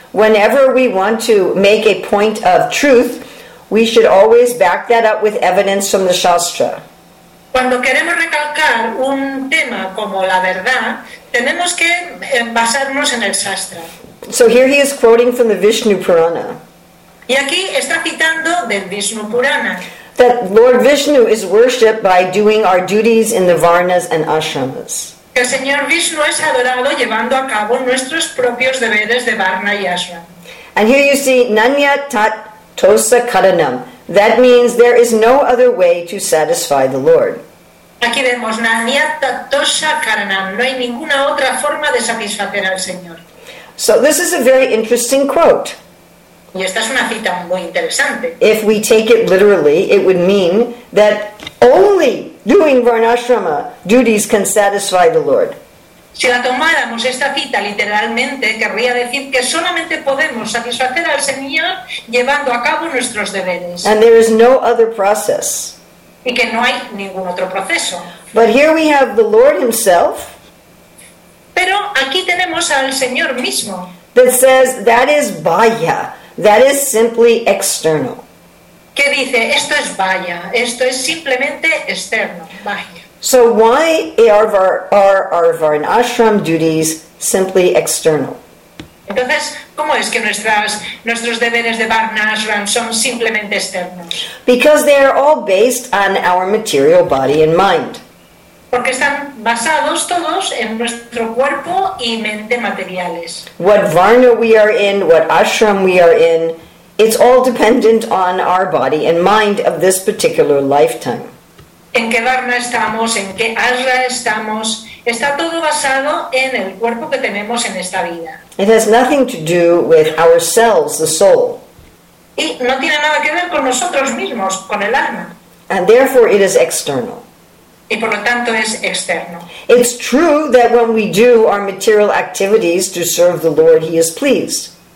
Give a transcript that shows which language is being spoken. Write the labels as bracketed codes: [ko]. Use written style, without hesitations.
[en] Whenever we want to make a point of truth, we should always back that up with evidence from the Shastra. [es] Cuando queremos recalcar un tema como la verdad, tenemos que basarnos en el Shastra. [en] So here he is quoting from the Vishnu Purana. [es] Y aquí está citando del Vishnu Purana. [en] That Lord Vishnu is worshipped by doing our duties in the varnas and ashramas. [es] Que el Señor Vishnu es adorado llevando a cabo nuestros propios deberes de varna y ashram. [en] And here you see [sa] nanya tat tosa karanam. [en] That means there is no other way to satisfy the Lord. [es] Aquí vemos [sa] nanya tat tosa karanam. [es] No hay ninguna otra forma de satisfacer al Señor. [en] So this is a very interesting quote. [es] Y esta es una cita muy interesante. [en] If we take it literally, it would mean that only doing varnashrama duties can satisfy the Lord. [es] Si la tomáramos esta cita literalmente, querría decir que solamente podemos satisfacer al Señor llevando a cabo nuestros deberes. [en] And there is no other process. [es] Y que no hay ningún otro proceso. [en] But here we have the Lord himself. [es] Pero aquí tenemos al Señor mismo. [en] That says that is bahya. That is simply external. [es] ¿Qué dice? Esto es vaya. Esto es simplemente externo. Vaya. [en] So why are our varnashram duties simply external? [es] Entonces, ¿cómo es que nuestros deberes de varnashram son simplemente externos? [en] Because they are all based on our material body and mind. [es] Porque están basados todos en nuestro cuerpo y mente materiales. [en] What varna we are in, what ashram we are in, it's all dependent on our body and mind of this particular lifetime. [es] En qué varna estamos, en qué ashram estamos, está todo basado en el cuerpo que tenemos en esta vida. [en] It has nothing to do with ourselves, the soul. [es] Y no tiene nada que ver con nosotros mismos, con el alma. [en] And therefore it is external. [es] Y por lo tanto es externo. [en] It's true that when we do our material activities to serve the Lord, he is pleased.